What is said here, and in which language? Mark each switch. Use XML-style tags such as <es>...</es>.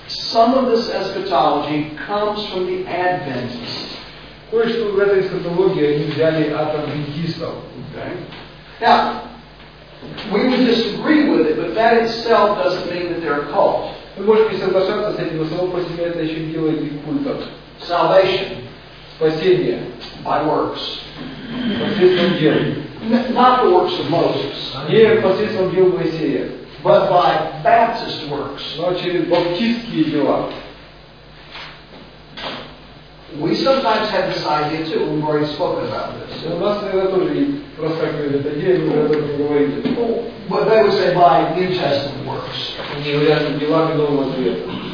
<en>Some of this eschatology comes from the Adventists.</en> <ru>Кое-что в этой эскатологии они взяли от адвентистов.</ru> <en>Now, we would disagree with it, but that itself doesn't mean that they're a cult.</en> <ru>Вы можете не соглашаться с этим, но само по себе это еще не делает их культом.</ru> <en>Salvation.</en> <ru>Спасение.</ru> <en>By works.</en> <ru>Посредством дел.</ru> <en>Not the works of Moses.</en> <ru>Не посредством дел Моисея.</ru> <en>But by Baptist works.</en> <ru>Но через баптистские дела.</ru> <en>We sometimes have this idea too, we've already spoken about this.</en> <ru>У нас иногда тоже просто говорят, это идея, мы об этом говорим.</ru> <en>But they would say by New Testament works.</en> <ru>Они говорят, что делами Нового Завета.</ru>